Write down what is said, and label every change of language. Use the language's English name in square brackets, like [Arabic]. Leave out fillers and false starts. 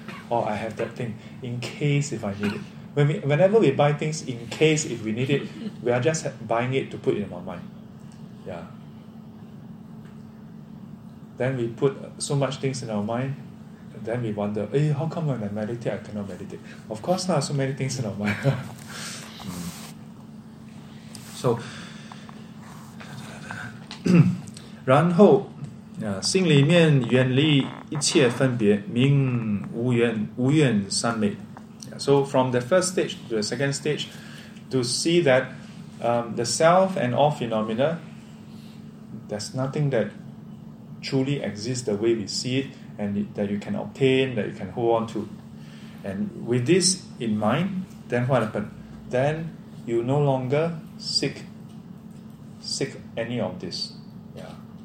[English] Oh, I have that thing in case if I need it. Whenever we buy things in case if we need it, we are just buying it to put it in our mind. Yeah. Then we put so much things in our mind, then we wonder, hey, how come when I meditate, I cannot meditate? Of course, there are so many things in our mind. [Chinese] So, 然后心里面远离一切分别，明无缘，无缘三昧. [English] So from the first stage to the second stage, to see that the self and all phenomena, there's nothing that truly exists the way we see it, and that you can obtain, that you can hold on to. And with this in mind, then what happened? Then you no longer seek any of this. Yeah.